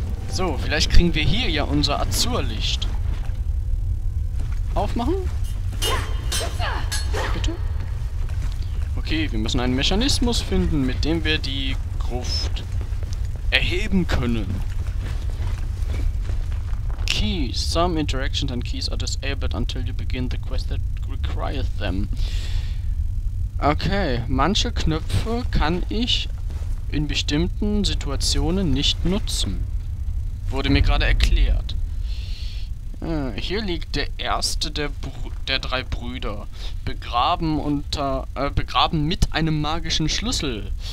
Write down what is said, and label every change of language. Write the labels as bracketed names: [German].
[German] So, vielleicht kriegen wir hier ja unser Azurlicht. Aufmachen? Bitte? Okay, wir müssen einen Mechanismus finden, mit dem wir die Gruft erheben können. [English] Keys. Some interactions and keys are disabled until you begin the quest that requires them. [German] Okay, manche Knöpfe kann ich in bestimmten Situationen nicht nutzen. Wurde mir gerade erklärt. Hier liegt der erste der drei Brüder, begraben mit einem magischen Schlüssel.